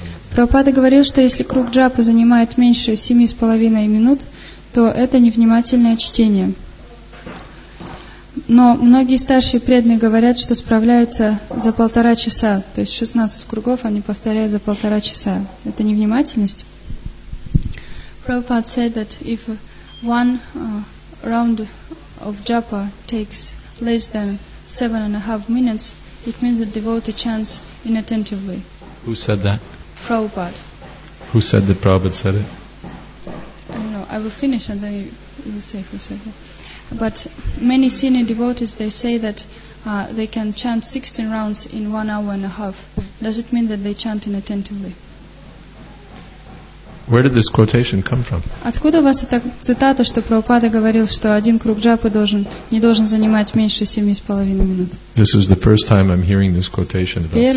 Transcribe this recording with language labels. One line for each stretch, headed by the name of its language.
Russian: Прабхупада говорил, что если круг джапы занимает меньше 7.5 минут, то это невнимательное чтение. Но многие старшие преданные говорят, что справляются за 1.5 часа. То есть 16 кругов они повторяют за 1.5 часа. Это невнимательность?
English: Прабхупада said that if one round of japa takes less than 7.5 minutes, it means that devotee chants inattentively. Who said that? Prabhupada. Who said that Prabhupada said it? I don't know. I will finish and then you will say who said it. But many senior devotees, they say that they can chant 16 rounds in 1.5 hours. Does it mean that they chant inattentively? Where did this quotation come from?
Russian: Откуда у вас эта цитата, что Прабхупада говорил, что один круг джапы не должен занимать меньше 7.5 минут?
English: This is the first time I'm hearing this quotation about 7.5 minutes.